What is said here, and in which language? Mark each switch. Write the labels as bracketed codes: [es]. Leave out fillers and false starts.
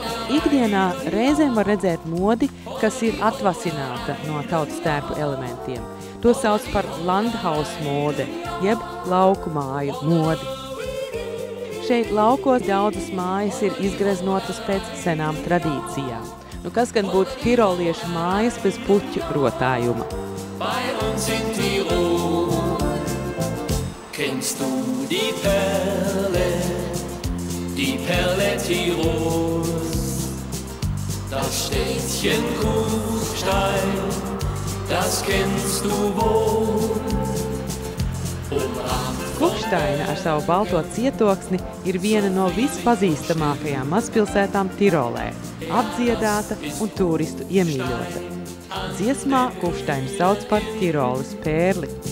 [lv] Ikdienā reizēm var redzēt modi, kas ir atvasināta no tautas tērpu elementiem. To sauc par landhaus mode, jeb lauku māju modi. Šeit laukos daudzas mājas ir izgreznotas pēc senām tradīcijām. Nu, kas gan būtu tiroliešu mājas bez puķu rotājuma? [de] Bei uns in Tirol, kennst du die Perle Tirols. Das Städtchen Kufstein, das kennst du wohl. Umarmt von [lv] Kirstaina ar savu balto cietoksni ir viena no vispazīstamākajām mazpilsētām Tirolē, apdziedāta un turistu iemīļota. Dziesmā Kirstaina sauc par Tirolas pērli.